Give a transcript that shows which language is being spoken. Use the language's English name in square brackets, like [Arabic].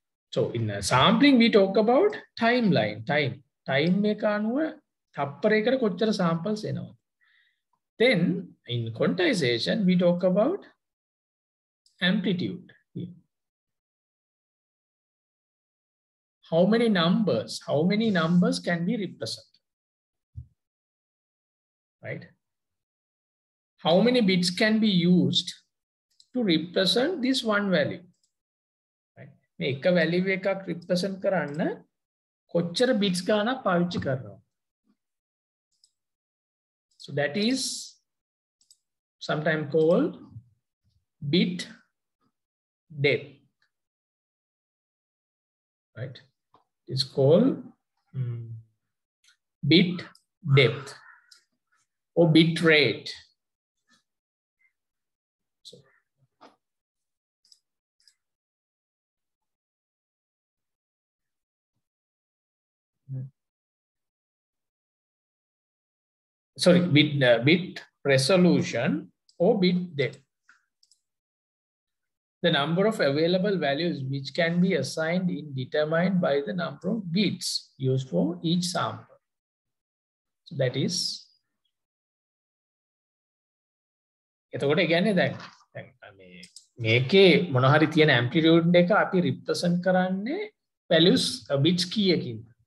[English] So in sampling, we talk about timeline, time. [Sinhala] Time එක අනුව තප්පරයකට කොච්චර samples එනවා. [English] Then in quantization, we talk about amplitude. How many numbers can be represented, right? How many bits can be used to represent this one value, right? [Sinhala] මේ එක value එකක් represent කරන්න කොච්චර bits ගන්න පාවිච්චි කරනවා. [English] So that is sometimes called bit depth, right? It's called bit depth or bit rate. So, sorry, bit resolution or bit depth. The number of available values which can be assigned is determined by the number of bits used for each sample. So that is. [Sinhala] එතකොට කියන්නේ දැන් දැන් මේ මේකේ මොන හරි තියෙන amplitude එක අපි represent කරන්නේ values bits කීයකින්.